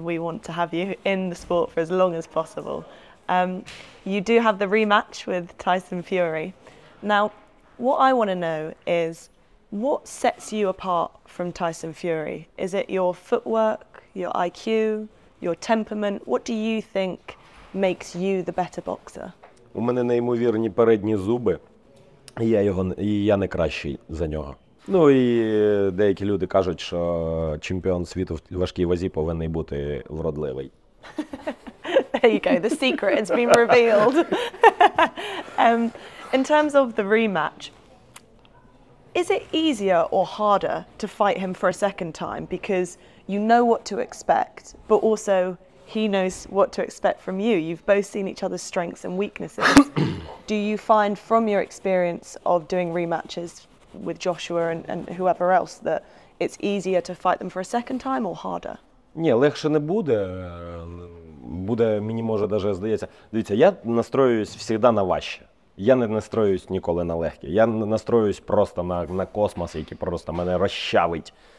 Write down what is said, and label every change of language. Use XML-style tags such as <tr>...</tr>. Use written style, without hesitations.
<en>We want to have you in the sport for as long as possible. You do have the rematch with Tyson Fury. Now, what I want to know is, what sets you apart from Tyson Fury? Is it your footwork, your IQ, your temperament? What do you think makes you the better boxer?</en> <uk>У мене неймовірні передні зуби, і я не кращий за нього. Ну і деякі люди кажуть, що чемпіон світу в важкій вазі повинен бути вродливий.</uk> <en>There you go, the secret has been revealed. In terms of the rematch, is it easier or harder to fight him for a second time because you know what to expect, but also he knows what to expect from you? You've both seen each other's strengths and weaknesses. Do you find from your experience of doing rematches with Joshua and whoever else that it's easier to fight them for a second time or harder?</en> <uk>Ні, легше не буде. Буде, мені може, даже здається. Дивіться, я настроююсь завжди на важче. Я не настроююсь ніколи на легке. Я настроююсь просто на космос, який просто мене розчавить.</uk>